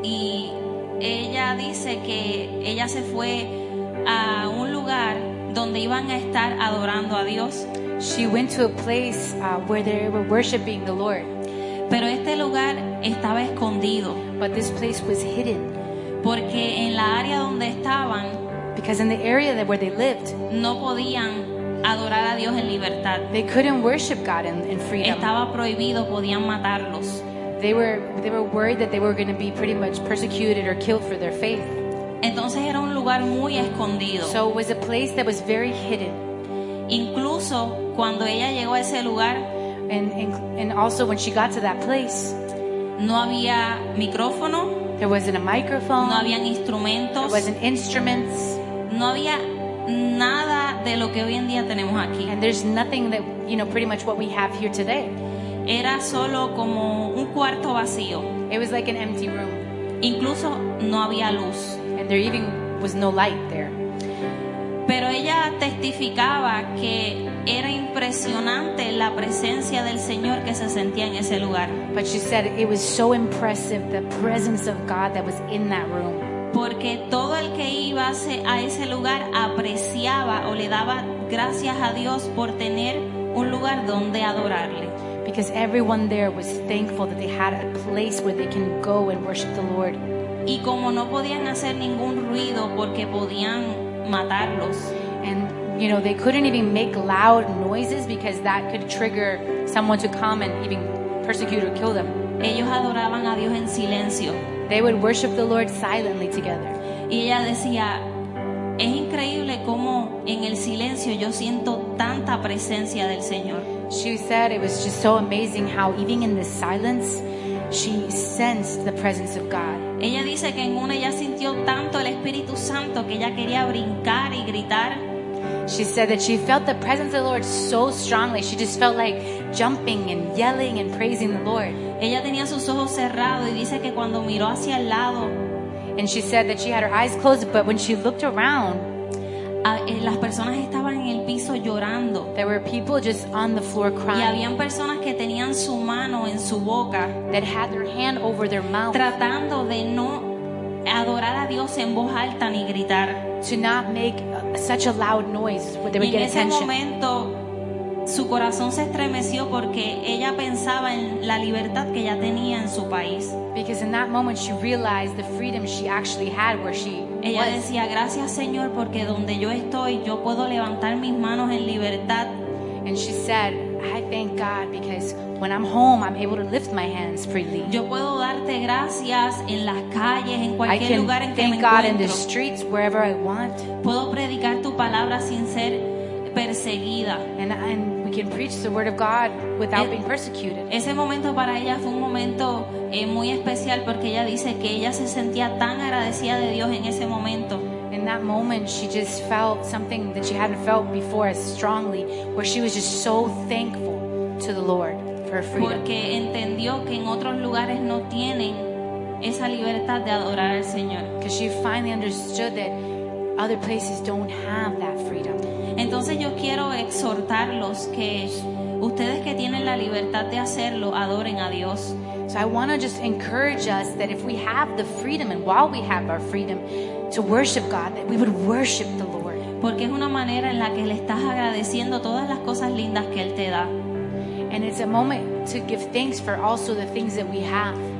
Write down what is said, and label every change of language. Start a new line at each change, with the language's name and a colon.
Spanish: Y ella dice que ella se fue a un lugar donde iban a estar adorando a Dios.
English: She went to a place where they were worshiping the Lord.
Spanish: Pero este lugar estaba escondido.
English: But this place was hidden.
Spanish: Porque en la área donde estaban,
English: because in the area that where they lived,
Spanish: no podían adorar a Dios en libertad.
English: They couldn't worship God in freedom.
Spanish: Estaba prohibido, podían matarlos.
English: They were worried that they were going to be pretty much persecuted or killed for their faith.
Spanish: Entonces era un lugar muy escondido.
English: So it was a place that was very hidden.
Spanish: Incluso cuando ella llegó a ese lugar,
English: and also when she got to that place,
Spanish: no había micrófono.
English: There wasn't a microphone.
Spanish: No habían instrumentos.
English: There wasn't instruments.
Spanish: No había nada de lo que hoy en día tenemos aquí.
English: And there's nothing that, you know, pretty much what we have here today.
Spanish: Era solo como un cuarto vacío.
English: It was like an empty room.
Spanish: Incluso no había luz.
English: And there even was no light there.
Spanish: Pero ella testificaba que era impresionante la presencia del Señor que se sentía en ese lugar.
English: But she said it was so impressive, the presence of God that was in that room.
Spanish: Porque todo el que iba a ese lugar apreciaba o le daba gracias a Dios por tener un lugar donde adorarle.
English: Because everyone there was thankful that they had a place where they can go and worship the Lord.
Spanish: Y como no podían hacer ningún ruido porque podían matarlos.
English: And, you know, they couldn't even make loud noises because that could trigger someone to come and even persecute or kill them.
Spanish: Ellos adoraban a Dios en silencio.
English: They would worship the Lord silently together.
Spanish: Y ella decía, es increíble cómo en el silencio yo siento tanta presencia del Señor.
English: She said it was just so amazing how even in the silence she sensed the presence of God.
Spanish: Ella dice que en una ella sintió tanto el Espíritu Santo que ella quería brincar y gritar.
English: She said that she felt the presence of the Lord so strongly. She just felt like jumping and yelling and praising the Lord.
Spanish: Ella tenía sus ojos cerrados y dice que cuando miró hacia el lado,
English: and she said that she had her eyes closed, but when she looked around,
Spanish: las personas estaban en el piso llorando.
English: There were people just on the floor crying.
Spanish: Y habían personas que tenían su mano en su boca,
English: that had their hand over their mouth,
Spanish: tratando de no adorar a Dios en voz alta ni gritar.
English: To not make such a loud noise where they would get attention.
Spanish: En ese momento su corazón se estremeció porque ella pensaba en la libertad que ella tenía en su país.
English: Because in that moment she realized the freedom she actually had where she
Spanish: ella
English: was.
Spanish: Decía, gracias Señor porque donde yo estoy yo puedo levantar mis manos en libertad.
English: And she said, I thank God because when I'm home I'm able to lift my hands freely.
Spanish: Yo puedo darte gracias en las calles, en cualquier lugar en que me encuentro.
English: I can thank God in the streets, wherever I want.
Spanish: Puedo predicar tu palabra sin ser perseguida.
English: And we can preach the word of God without being persecuted.
Spanish: Ese momento para ella fue un momento muy especial porque ella dice que ella se sentía tan agradecida de Dios en ese momento.
English: In that moment she just felt something that she hadn't felt before as strongly, where she was just so thankful to the Lord for her freedom.
Spanish: Porque entendió que en otros lugares no tienen esa libertad de adorar al Señor.
English: Because she finally understood that other places don't have that freedom.
Spanish: Entonces yo quiero exhortarlos que ustedes que tienen la libertad de hacerlo, adoren a Dios.
English: So I want to just encourage us that if we have the freedom, and while we have our freedom to worship God, that we would worship the Lord.
Spanish: Porque es una manera en la que le estás agradeciendo todas las cosas lindas que Él te da.
English: And it's a moment to give thanks for also the things that we have.